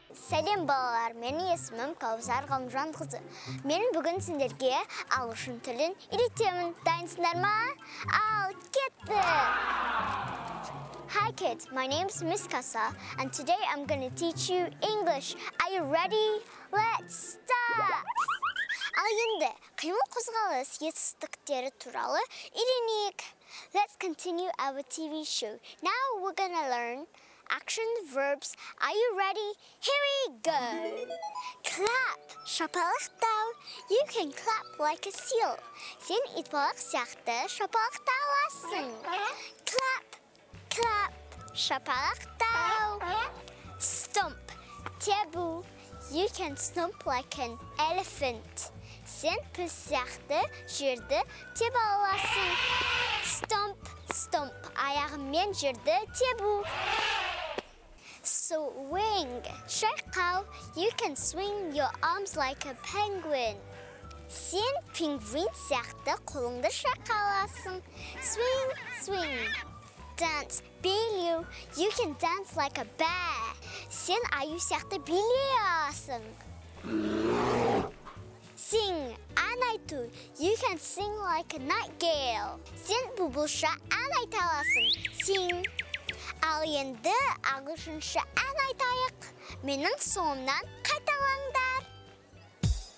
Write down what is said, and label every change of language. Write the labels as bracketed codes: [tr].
[kk] Сәлем, балалар, менің есімім Кауссар Ғалымжан қызы. Мен бүгін сендерге ағылшын тілін үйретемін. Дайынсыңдар ма? Ал, кетті! [en] Hi kids, my name's Miss Kaussar, and today I'm gonna teach you English. Are you ready? Let's start! [kk] Ал енді қимыл қозғалыс етістіктері туралы үйренейік. [en] Let's continue our TV show. Now we're gonna learn action verbs. Are you ready? Here we go! Clap! [kk] Шапалақтау. [en] You can clap like a seal. [kk] Сен итбалық сияқты шапалақтау аласың. [en] Clap! Clap, [kk] шапалақтау. [en] Stomp, [kk] тебу. [en] You can stomp like an elephant. [kk] Сен піс сияқты жерді тебе аласың. [en] Stomp, stomp. [kk] Аяғыммен жерді тебу. [en] Swing, [kk] шайқау. [en] You can swing your arms like a penguin. [kk] Сен пингвин сияқты қолыңды шайқау аласың. [en] Swing, swing. Dance, [kk] билеу. [en] You can dance like a bear. [kk] Сен аю сияқты билей аласың. [en] Sing, [kk] ән айту. [en] You can sing like a nightingale. [kk] Сен бұлбұлша ән айта аласың. [en] Sing. [kk] Ал енді ағылшынша ән айтайық. Менің соңымнан қайталаңдар.